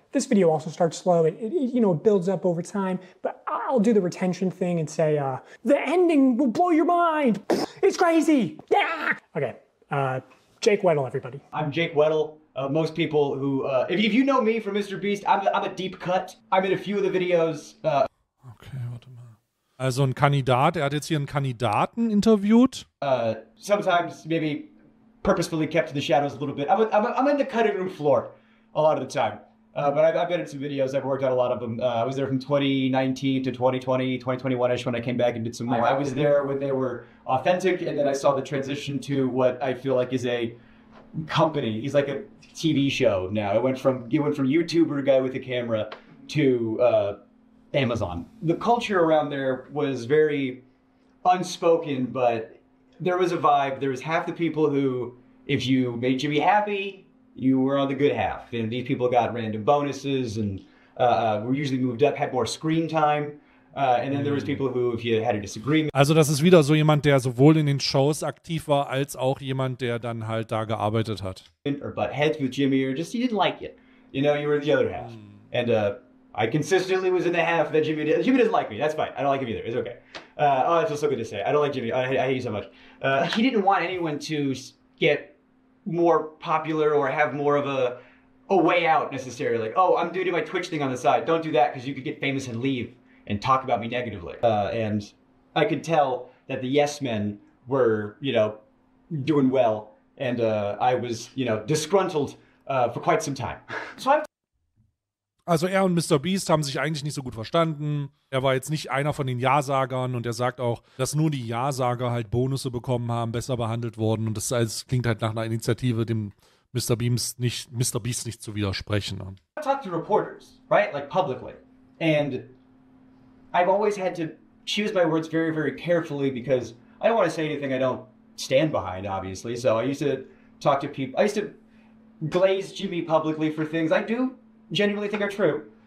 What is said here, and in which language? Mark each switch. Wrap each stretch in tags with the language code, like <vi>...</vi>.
<en>This video also starts slow. It you know, it builds up over time. But I'll do the retention thing and say, the ending will blow your mind. It's crazy. Yeah. Okay. Jake Weddle, everybody. I'm Jake Weddle. Most people who, if you know me from MrBeast, I'm a deep cut. I'm in a few of the videos.</en> <de>Okay, warte mal. Also ein Kandidat, er hat jetzt hier einen Kandidaten interviewt.</de> <en>Sometimes, maybe purposefully kept to the shadows a little bit. I'm in the cutting room floor a lot of the time. But I've been in some videos, I've worked on a lot of them. I was there from 2019 to 2020, 2021-ish when I came back and did some more. I was there when they were authentic, and then I saw the transition to what I feel like is a company. He's like a TV show now. It went from YouTuber guy with a camera to Amazon. The culture around there was very unspoken, but there was a vibe. There was half the people who, if you made Jimmy happy, you were on the good half. And these people got random bonuses and were usually moved up, had more screen time. And then there was people who, if you had a disagreement.</en> <de>Also das ist wieder so jemand, der sowohl in den Shows aktiv war, als auch jemand, der dann halt da gearbeitet hat.</de> <en>Or butt heads with Jimmy, or just, you didn't like it. You know, you were the other half. And I consistently was in the half that Jimmy did. Jimmy doesn't like me, that's fine. I don't like him either, it's okay. Oh, that's just so good to say. I don't like Jimmy, I hate you so much. He didn't want anyone to get more popular or have more of a way out necessarily. Like, oh, I'm doing my Twitch thing on the side. Don't do that because you could get famous and leave and talk about me negatively. And I could tell that the yes men were, you know, doing well. And I was, you know, disgruntled for quite some time. So I've...</en> <de>Also er und MrBeast haben sich eigentlich nicht so gut verstanden. Er war jetzt nicht einer von den Ja-Sagern und er sagt auch, dass nur die Ja-Sager halt Bonusse bekommen haben, besser behandelt wurden. Und das, das klingt halt nach einer Initiative, dem MrBeast nicht zu widersprechen.</de> <en>I talk to reporters, right? Like publicly. And I've always had to choose my words very, very carefully because I don't want to say anything I don't stand behind, obviously. So I used to talk to people. I used to glaze Jimmy publicly for things I do genuinely think are true.</en>